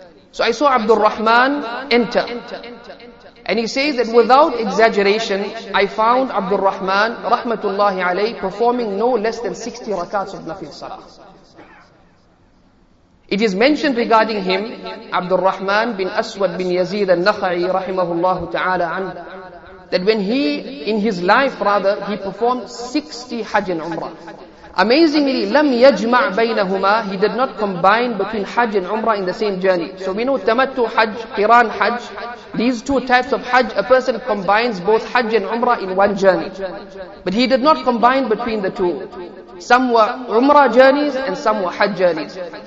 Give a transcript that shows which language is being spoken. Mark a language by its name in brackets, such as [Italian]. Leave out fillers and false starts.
[English] So I saw Abdul Rahman enter. And he says that without exaggeration, I found Abdul Rahman, rahmatullahi alayhi, performing no less than 60 rakats of Nafil Salah. It is mentioned regarding him, Abdul Rahman bin Aswad bin Yazid al-Nakhai, rahimahullahu ta'ala, that when he, in his life rather, he performed 60 Hajj and Umrah. Amazingly, [Arabic] لَمْ يَجْمَعْ بَيْنَهُمَا. [English] He did not combine between Hajj and Umrah in the same journey. So we know Tamattu Hajj, Qiran Hajj, these two types of Hajj, a person combines both Hajj and Umrah in one journey. But he did not combine between the two. Some were Umrah journeys and some were Hajj journeys.